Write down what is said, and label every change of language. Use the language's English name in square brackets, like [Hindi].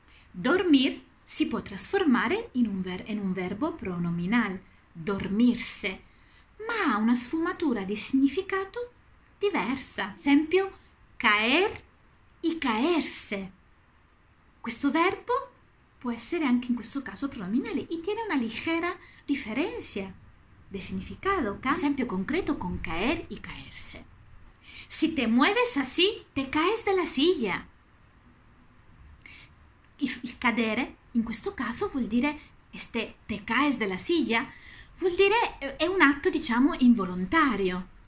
[Italian] Dormir si può trasformare in un verbo pronominal, dormirse, ma ha una sfumatura di significato diversa. Esempio, caer y caerse. Questo verbo può essere anche in questo caso pronominale e [Spanish] tiene una ligera [Italian] differenza di significato. Un esempio concreto con caer y caerse. [Spanish] Si te mueves así, te caes de la silla. [Italian] Il cadere, in questo caso, vuol dire [Spanish] te caes de la silla, [Italian] vuol dire è un atto, diciamo, involontario.